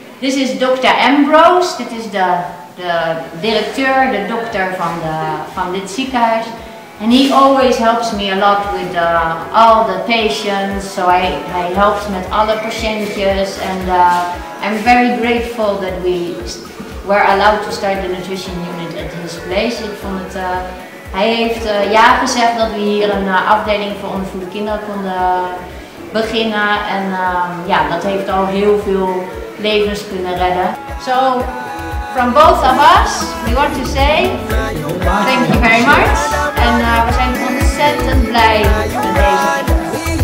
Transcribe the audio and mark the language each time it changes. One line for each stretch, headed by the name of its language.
Dutch: Dit is dokter Ambrose, dit is de directeur, de dokter van dit ziekenhuis.
English: En he always helps me a lot with all the patients.
Dutch: So hij helps met alle patiëntjes.
English: En I'm very grateful that we were allowed to start the nutrition unit at his place.
Dutch: Ik vond het, hij heeft ja gezegd dat we hier een afdeling voor ongevoelde kinderen konden beginnen. En ja, dat heeft al heel veel levens kunnen redden.
English: So, from both of us, we want to say thank you very much.
Dutch: En we zijn ontzettend blij met deze.